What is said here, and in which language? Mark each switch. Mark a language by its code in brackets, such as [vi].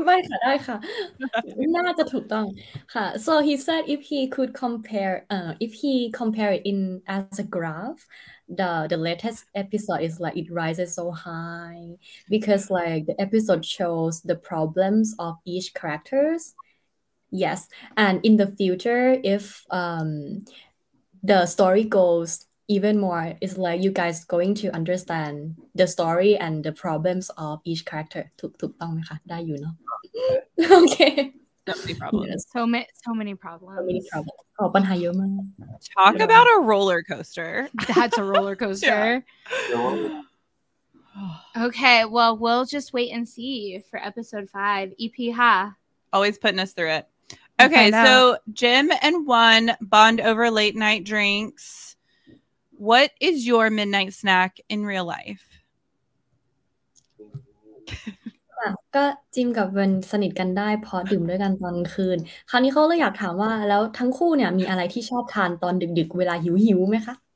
[th] ไม่ค่ะได้ค่ะน่าจะถูกต้องค่ะ [en] so he said if he could compare if he compare it in as a graph the latest episode is like it rises so high because like the episode shows the problems of each characters yes and in the future if the story goesEven more, it's like you guys going to understand the story and the problems of each character. [th] ถูกต้องไหมคะได้อยู่เนาะ [en] Okay. So many problems. [th] ปัญหาเยอะมาก [en] Talk about a roller coaster. That's a roller coaster. Okay, well, we'll just wait and see for episode 5. EP, huh? Always putting us through it. Okay, so Jim and Won bond over late night drinks. What is your midnight snack in real life? [th] ก็จิมกับเวนสนิทกันได้เพราะดื่มด้วยกันตอนคืนคราวนี้เขาเลยอยากถามว่าแล้วทั้งคู่เนี่ยมีอะไรที่ชอบทานตอนดึกๆเวลาหิวๆไหมคะ